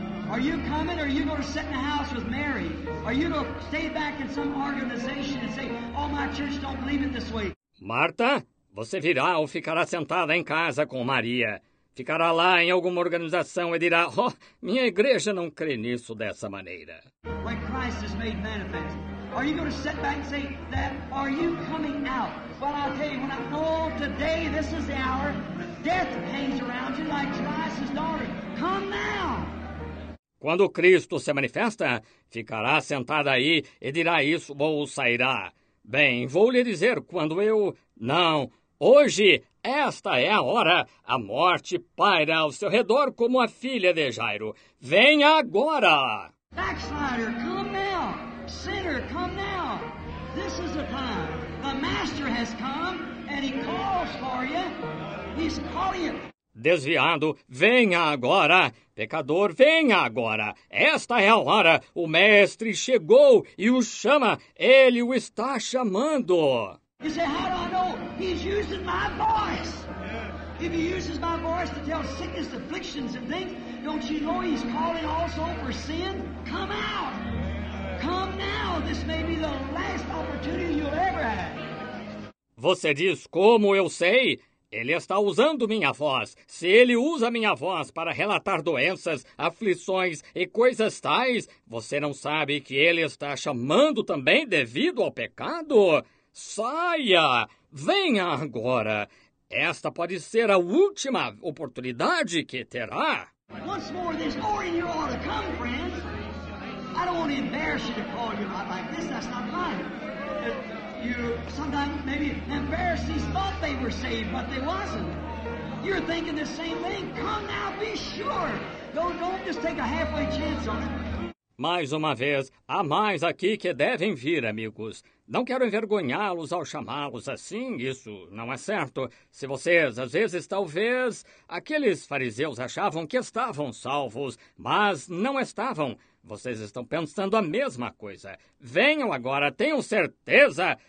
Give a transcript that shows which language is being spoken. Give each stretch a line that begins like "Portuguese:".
English: Are you coming or are you going to sit in the house with Mary? Are you going to stay back in some organization and say, oh, my church don't believe it this way?
Portuguese: Marta, você virá ou ficará sentada em casa com Maria? Ficará lá em alguma organização e dirá, oh, minha igreja não crê nisso dessa maneira.
English: When Christ is made manifest, are you going to sit back and say that? Are you coming out? Well, I'll tell you, when I call today, this is the hour, death hangs around you like Jairus' daughter. Come now!
Portuguese: Quando Cristo se manifesta, ficará sentada aí e dirá isso ou sairá. Bem, vou lhe dizer quando eu... Não, hoje, esta é a hora. A morte paira ao seu redor como a filha de Jairo. Venha agora!
English: Backslider, come now! Sinner, come now! This is the time. The Master has come and he calls for you. He's calling you.
Portuguese: Desviado, venha agora. Pecador, venha agora. Esta é a hora. O Mestre chegou e o chama. Ele o está chamando.
English: You say, how do I know? He's using my voice. If he uses my voice to tell sickness, afflictions and things, don't you know he's calling also for sin? Come out. Come now. This may be the last opportunity you'll ever have.
Portuguese: Você diz, como eu sei? Ele está usando minha voz. Se ele usa minha voz para relatar doenças, aflições e coisas tais, você não sabe que ele está chamando também devido ao pecado? Saia! Venha agora! Esta pode ser a última oportunidade que terá.
English: Once more, this morning you ought to come, friends. I don't want to embarrass you to call you out like this. That's not mine. You sometimes maybe the Pharisees thought they were saved, but they wasn't. You're thinking the same thing. Come now, be sure. Don't just take a halfway chance on it.
Portuguese: Mais uma vez, há mais aqui que devem vir, amigos. Não quero envergonhá-los ao chamá-los assim, isso não é certo. Se vocês, às vezes, talvez, aqueles fariseus achavam que estavam salvos, mas não estavam. Vocês estão pensando a mesma coisa. Venham agora, tenham certeza.